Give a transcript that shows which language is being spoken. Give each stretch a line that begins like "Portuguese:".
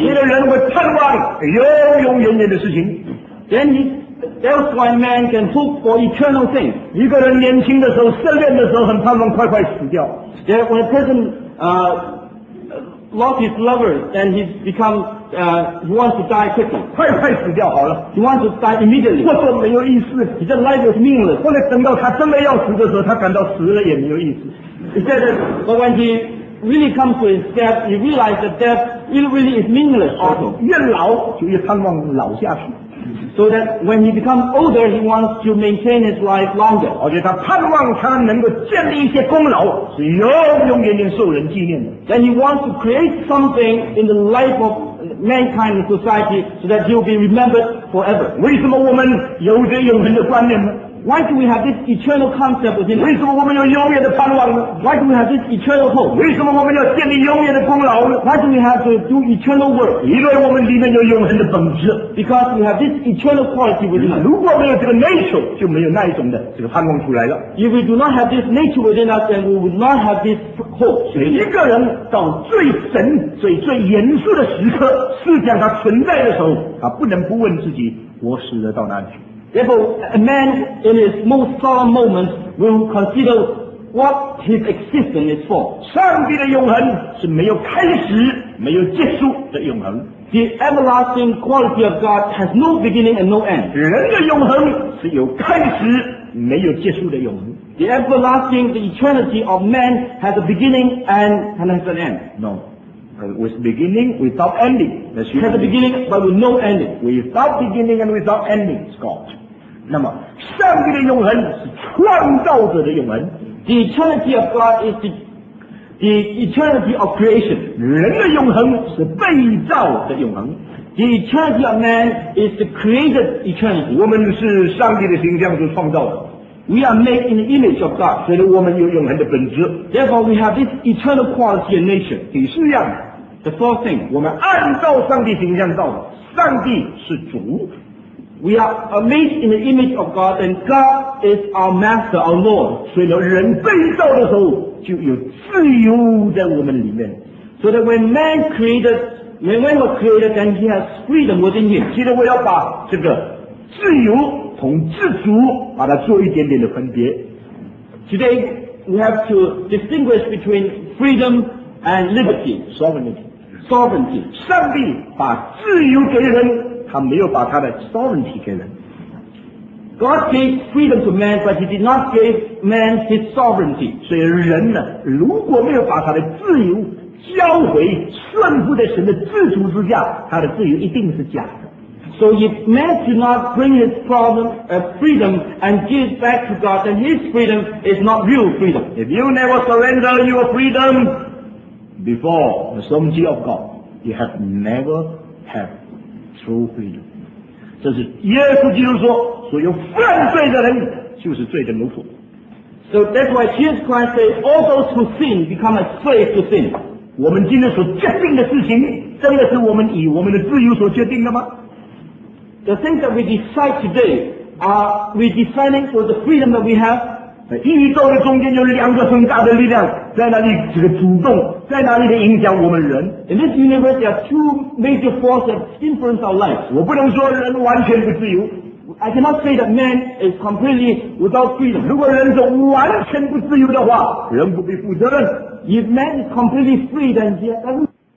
Chinese: 因为人会盼望永永远远的事情。
English: Then that's why man can hope for eternal things.
Chinese: 一个人年轻的时候，失恋的时候，很盼望快快死掉。
English: Then when a person, lost his lover, then he's becomehe wants to die quickly.
Chinese: 快快死掉好了。
English: He wants to die immediately.
Chinese: 或者没有意思。
English: He said life is meaningless.
Chinese: 或者等到他真的要死的时候，他感到死了也没有意思。
English: He said that, but when he really comes to his death, he realizes that death really is meaningless also.
Chinese: 越老就越盼望老下去。
English: So that when he becomes older, he wants to maintain his life longer.
Chinese: 而且他盼望他能够建立一些功劳，是永永远远受人纪念的。
English: Then he wants to create something in the life of mankind and society so that he will be remembered forever.
Chinese: 为什么我们有这永恒的观念呢？
English: Why do we have this eternal concept within us?
Chinese: 为什么我们有永远的盼望呢？
English: Why do we have this eternal hope?
Chinese: 为什么我们要建立永远的功劳呢？
English: Why do we have to do eternal work?
Chinese: 因为我们里面有永恒的本质。
English: Because we have this eternal quality within us.
Chinese: 如果没有这个 nature, 就没有那一种的这个盼望出来了。
English: If we do not have this nature within us, then we would not have this hope.
Chinese: 每一个人到最神最最严肃的时刻，思想它存在的时候，他不能不问自己，我死了到哪里去？
English: Therefore, a man in his most solemn moments will consider what his existence is for.
Chinese: 上帝的永恒是没有开始、没有结束的永恒。
English: The everlasting quality of God has no beginning and no end.
Chinese: 人的永恒是有开始、没有结束的永恒。
English: The everlasting, the eternity of man has a beginning and has an end. No. With beginning, without ending. Has a beginning, but with no ending. Without beginning and without ending, Scott.
Chinese: 那么上帝的永恒是创造者的永恒。
English: The eternity of God is the eternity of creation.
Chinese: 人的永恒是被造的永恒。
English: The eternity of man is the created eternity.
Chinese: 我们是上帝的形象所创造的。
English: We are made in the image of God,
Chinese: 所以我们有永恒的本质。
English: Therefore, we have this eternal quality and nature.
Chinese: 第四样
English: the fourth thing,
Chinese: 我们按照上帝形象造的，上帝是主。
English: We are made in the image of God, and God is our master, our Lord.
Chinese: 所以人被造的时候就有自由在我们里面。
English: So that when man was created, then he has freedom within him.
Chinese: 其实我要把这个自由从自主把它做一点点的分别。
English: Today we have to distinguish between freedom and liberty,
Chinese: sovereignty. 上帝把自由给人，他没有把他的 sovereignty 给人。
English: God gave freedom to man, but he did not give man his sovereignty.
Chinese: 所以人呢，如果没有把他的自由交回顺服在神的自主之下，他的自由一定是假的。
English: So if man should not bring his problem of freedom and give back to God, then his freedom is not real freedom. If you never surrender your freedom before the sovereignty of God, you have never had true freedom.
Chinese: 这是耶稣基督说，所有犯罪的人就是罪的奴仆。
English: So that's why Jesus Christ says, all those who sin become a slave to sin.
Chinese: 我们今天所决定的事情，真的是我们以我们的自由所决定的吗？
English: The things that we decide today, are we deciding for the freedom that we have?
Chinese: 宇宙的中间有两个很大的力量在那里，这个主动在那里的影响我们人。
English: In this universe, there are two major forces that influence our lives.
Chinese: 我不能说人完全不自由。
English: I cannot say that man is completely without freedom.
Chinese: 如果人是完全不自由的话，人不必负责任。
English: If man is completely free, then he doesn't